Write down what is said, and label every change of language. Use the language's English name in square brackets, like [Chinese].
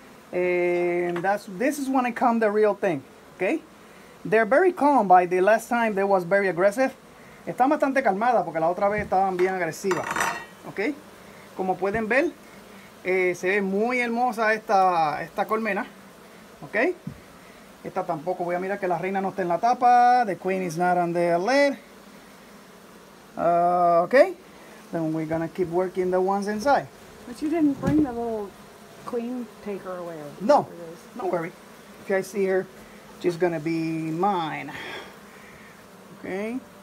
[English] And this is when it comes the real thing. Ok? They're very calm. By the last time, they was very aggressive. [Spanish] Están bastante calmadas porque la otra vez estaban bien agresivas. Ok? Como pueden ver, se ve muy hermosa esta colmena. Ok? Esta tampoco, voy a mirar que la reina no está en la tapa. [English] The queen is not on the lid. Ok? Then we're gonna keep working the ones inside. But you didn't bring the little queen taker away. No. Don't worry. If I see her, she's gonna be mine. Ok?